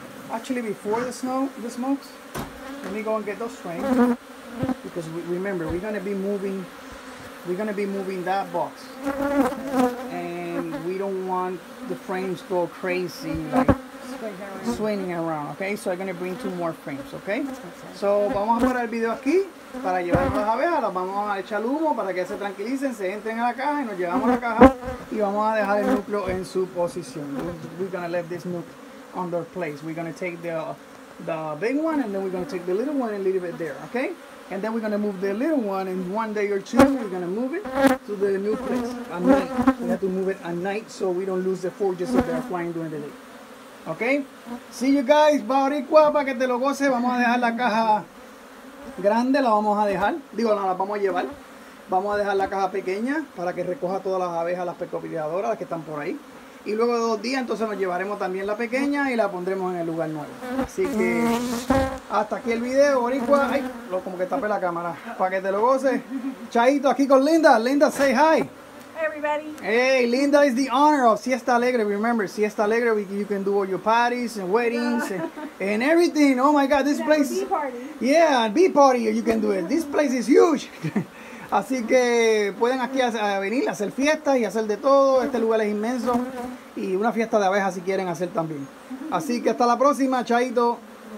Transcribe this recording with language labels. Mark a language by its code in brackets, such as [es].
[en] Actually, before the smokes, let me go and get those frames. Because remember, we're gonna be moving that box. And we don't want the frames go crazy, like swinging around, okay? So I'm gonna bring 2 more frames, okay? [es] So vamos a parar el video aquí para llevar las abejas, las vamos a echar humo para que se tranquilicen, se entren a la caja y nos llevamos a la caja y vamos a dejar el núcleo en su posición. [en] We're gonna let this nook on their place. We're gonna take the big one and then we're gonna take the little one and leave it there, okay? And then we're gonna move the little one, and 1 day or 2, we're gonna move it to the new place at night. We have to move it at night so we don't lose the forages if they're flying during the day. [es] Okay? See you guys, Boricua, para que te lo goce. Vamos a dejar la caja grande, la vamos a dejar. Digo, no, la vamos a llevar. Vamos a dejar la caja pequeña para que recoja todas las abejas, las pecopilidadoras, las que están por ahí. Y luego de 2 días, entonces nos llevaremos también la pequeña y la pondremos en el lugar nuevo. Así que hasta aquí el video, Boricua. Ay, como que tapé la cámara. Para que te lo goces. Chaito, aquí con Linda. Linda, say hi. [en] Hey, everybody. Hey, Linda is the owner of Siesta Alegre. Remember, Siesta Alegre, you can do all your parties and weddings and everything. Oh, my God, this place. Bee party. Yeah, bee party, you can do it. This place is huge. [es] Así que pueden aquí venir a hacer fiestas y hacer de todo. Este lugar es inmenso. Y una fiesta de abejas si quieren hacer también. Así que hasta la próxima, Chaito.